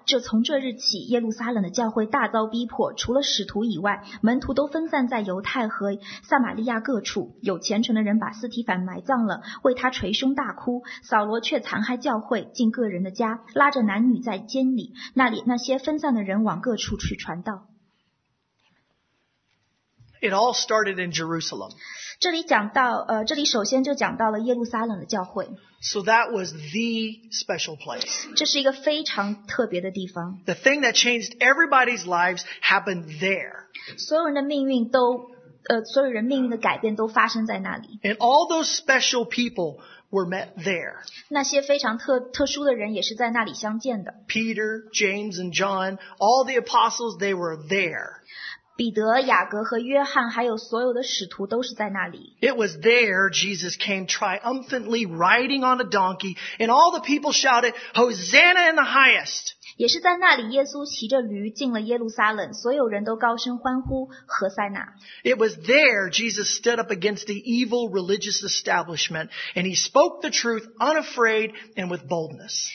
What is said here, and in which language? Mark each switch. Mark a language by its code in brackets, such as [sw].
[zh] 这从这日起，耶路撒冷的教会大遭逼迫，除了使徒以外，门徒都分散在犹太和撒玛利亚各处。有虔诚的人把司提反埋葬了，为他捶胸大哭。扫罗却残害教会，进个人的家，拉着男女在监里，那里那些分散的人往各处去传道。 [en] It all started in Jerusalem. [zh] 这里讲到，这里首先就讲到了耶路撒冷的教会。 [en] So that was the special place. [zh] 这是一个非常特别的地方。 [en] The thing that changed everybody's lives happened there. [zh] 所有人的命运都，所有人命运的改变都发生在那里。 [en] And all those special people were met there. [zh] 那些非常特殊的人也是在那里相见的。 [en] Peter, James, and John, all the apostles, they were there. [zh] 彼得、雅各和约翰，还有所有的使徒都是在那里。 [en] It was there Jesus came triumphantly riding on a donkey, and all the people shouted, "Hosanna in the highest!" [zh] 也是在那里，耶稣骑着驴进了耶路撒冷，所有人都高声欢呼，何塞纳。 [en] It was there Jesus stood up against the evil religious establishment, and he spoke the truth unafraid and with boldness.